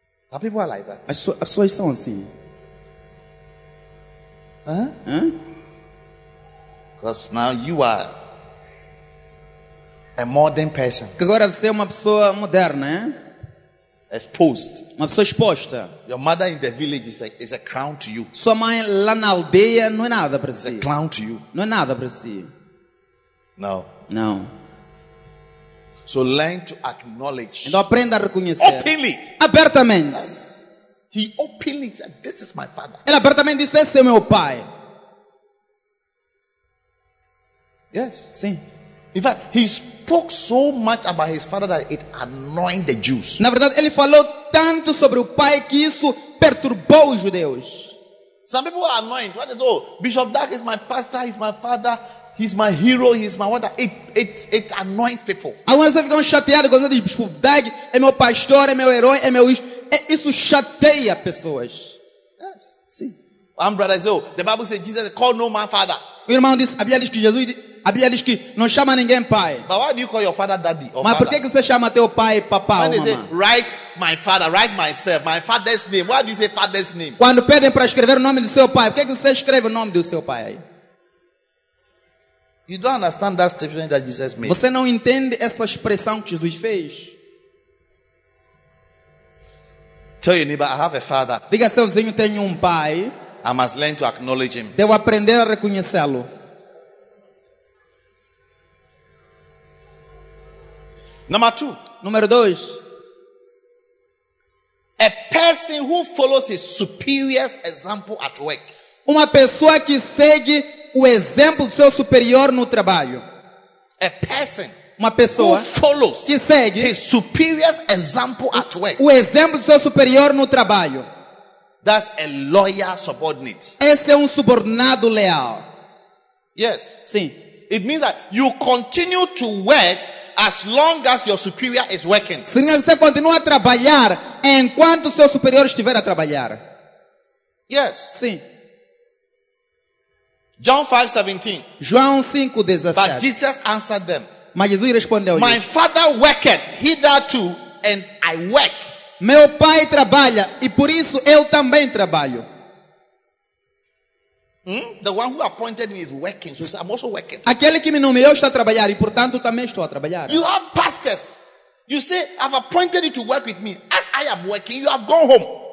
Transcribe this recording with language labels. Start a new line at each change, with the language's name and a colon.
English: Are people like that?
Portuguese: As pessoas são assim. Hã? Hã?
English: Because now you are a modern person.
Portuguese: Que agora você é uma pessoa moderna, hein?
English: Exposed.
Portuguese: Uma pessoa exposta.
English: Your mother in the village is a crown to you.
Portuguese: Sua mãe lá na aldeia não é nada para si.
English: A crown to you.
Portuguese: Não é nada para si.
English: No. No. So learn to acknowledge.
Portuguese: Então aprenda a reconhecer.
English: Openly.
Portuguese: Abertamente.
English: He openly said, "This is my father."
Portuguese: Ele abertamente disse, "Esse é meu pai."
English: Yes.
Portuguese: Sim.
English: In fact, he spoke so much about his father that it annoyed the Jews.
Portuguese: Na verdade, ele falou tanto sobre o pai que isso perturbou os judeus.
English: Some people are annoyed. What is, oh, Bishop Dark is my pastor, he's my father, he's my hero, he's my wonder. It annoys people.
Portuguese: Algumas pessoas ficam chateadas quando dizem, Bishop Dark é meu pastor, é meu herói, é meu isso chateia pessoas.
English: Yes.
Portuguese: Sim.
English: One brother says, oh, the Bible says Jesus called no man father.
Portuguese: O irmão diz, a Bíblia diz que Jesus... A Bíblia diz que não chama ninguém pai.
English: But why do you call your father daddy or
Portuguese: mas por que você chama teu pai papá ou mamãe?
English: Write my father, write myself, my father's name. Why do you say father's name?
Portuguese: Quando pedem para escrever o nome do seu pai, por que você escreve o nome do seu pai?
English: You don't understand that statement that Jesus made.
Portuguese: Você não entende essa expressão que Jesus fez?
English: Tell your neighbor, I have a father.
Portuguese: Diga ao seu vizinho, tenho um pai.
English: I must learn to acknowledge him.
Portuguese: Devo aprender a reconhecê-lo.
English: Number two.
Portuguese: Número dois.
English: A person who follows his superior's example at work.
Portuguese: Uma pessoa que segue o exemplo do seu superior no trabalho.
English: A person.
Portuguese: Uma pessoa.
English: Who follows.
Portuguese: Que segue.
English: His superior's example at work.
Portuguese: O exemplo do seu superior no trabalho.
English: That's a loyal subordinate.
Portuguese: Esse é subordinado leal.
English: Yes.
Portuguese: Sim.
English: It means that you continue to work as long as your superior is working.
Portuguese: Significa que você continua a trabalhar enquanto seu superior estiver a trabalhar.
English: Yes.
Portuguese: Sim.
English: John 5:17.
Portuguese: João 5:17.
English: But Jesus answered them.
Portuguese: Mas Jesus respondeu.
English: My father worketh hitherto and I work.
Portuguese: Meu pai trabalha e por isso eu também trabalho.
English: The one who appointed me is working, so I'm also working.
Portuguese: Aquele que me nomeou está a trabalhar e portanto também estou a trabalhar.
English: You have pastors. You say I've appointed you to work with me. As I am working, you have gone home.